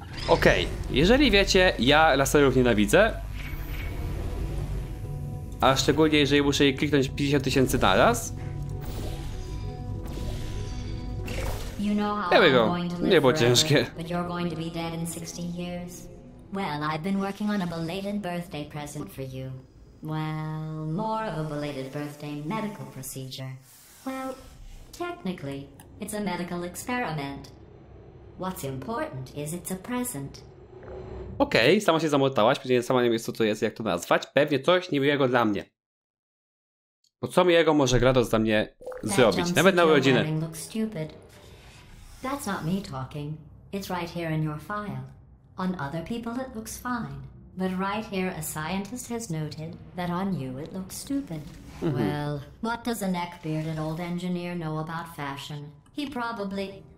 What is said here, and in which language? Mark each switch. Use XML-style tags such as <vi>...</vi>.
<pl>Okej, jeżeli wiecie, ja laserów nienawidzę, a szczególnie jeżeli muszę je kliknąć 50 tysięcy na raz.</pl> <en>You know how going to live forever, but you're going to be dead in 60 years. Well, I've been working on a belated birthday present for you. Well, more of a belated birthday medical procedure. Well, technically, it's a medical experiment. What's important is it's a present.</en> <pl>Okej, okay, sama się zamotałaś, pewnie sama nie wiem, co to jest, jak to nazwać. Pewnie coś niemiłego dla mnie. Bo co miłego może GLaDOS dla mnie zrobić? Nawet na urodziny.</pl> <en>That's not me talking. It's right here in your file. On other people it looks fine. But right here a scientist has noted that on you it looks stupid. Mm-hmm. Well, what does a neckbearded old engineer know about fashion? He probably...</en>